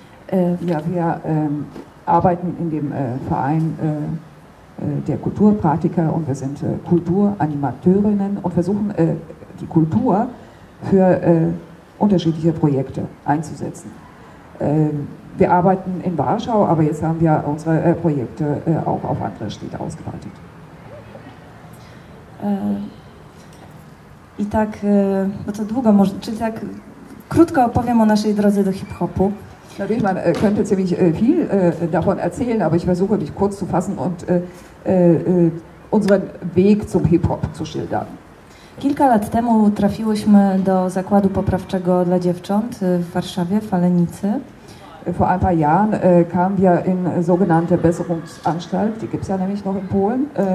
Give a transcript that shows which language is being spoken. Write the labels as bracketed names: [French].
[German] Ja, wir arbeiten in dem Verein der Kulturpraktiker und wir sind Kulturanimateurinnen und versuchen die Kultur für unterschiedliche Projekte einzusetzen. Wir arbeiten in Warschau, aber jetzt haben wir unsere Projekte auch auf andere Städte ausgeweitet. [Polish] I tak, bo to długo, czyli tak krótko opowiem o naszej drodze do hip-hopu. [German] Natürlich, man könnte ziemlich viel davon erzählen, aber ich versuche mich kurz zu fassen und unseren Weg zum Hip-Hop zu schildern. [Polish] Kilka lat temu trafiłyśmy do Zakładu Poprawczego dla Dziewcząt w Warszawie, w Falenicy. [German] Vor ein paar Jahren kamen wir in sogenannte Besserungsanstalt, die gibt es ja nämlich noch in Polen.